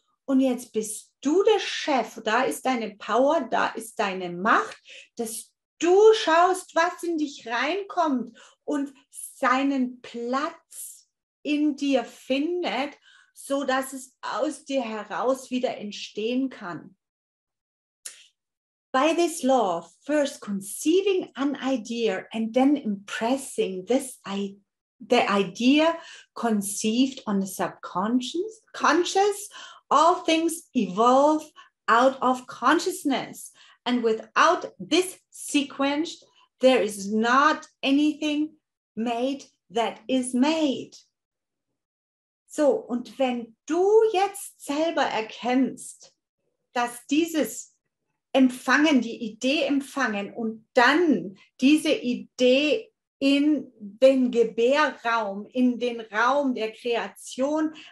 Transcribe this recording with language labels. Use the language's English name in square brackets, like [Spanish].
[German] Und jetzt bist du der Chef, da ist deine Power, da ist deine Macht, dass du schaust, was in dich reinkommt und seinen Platz in dir findet, so dass es aus dir heraus wieder entstehen kann. [English] By this law, first conceiving an idea and then impressing the idea conceived on the subconscious, all things evolve out of consciousness. And without this sequence, there is not anything made that is made. [German] So, und wenn du jetzt selber erkennst, dass dieses Empfangen, die Idee empfangen und dann diese Idee in den Gebärraum, in den Raum der Kreation